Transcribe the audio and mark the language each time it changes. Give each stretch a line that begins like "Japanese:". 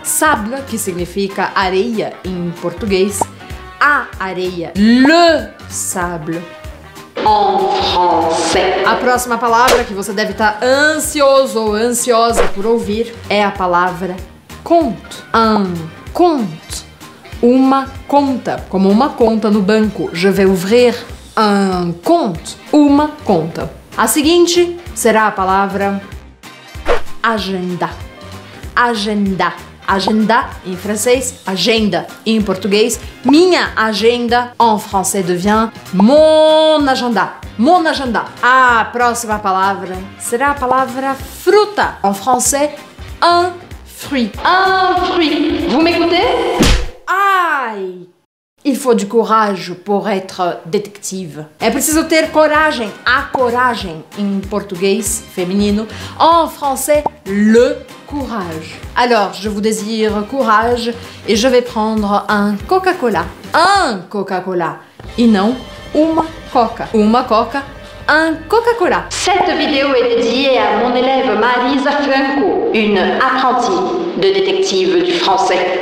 Portuguese: Sable, que significa areia em português. A areia.
French: Le sable. En français.
Portuguese: A próxima palavra que você deve estar ansioso ou ansiosa por ouvir é a palavra conte.
French: Un conte.
Portuguese: Uma conta. Como uma conta no banco.
French: Je vais ouvrir un compte.
Portuguese: Uma conta. A seguinte será a palavra agenda. Agenda. Agenda em francês, agenda em português.
French: Minha agenda en français devient mon agenda. Mon agenda.
Portuguese: A próxima palavra será a palavra fruta.
French: En français, un fruit. Un fruit. Vous m'écoutez? Ai! Il faut du courage pour être détective.
Portuguese: É preciso ter coragem, a coragem em português feminino.
French: En français, le courage. Alors, je vous désire courage et je vais prendre un Coca-Cola.
Portuguese: Un Coca-Cola. E não uma Coca. Uma Coca, un Coca-Cola.
French: Cette vidéo est dédiée à mon élève Marisa Franco, une apprentie de détective du français.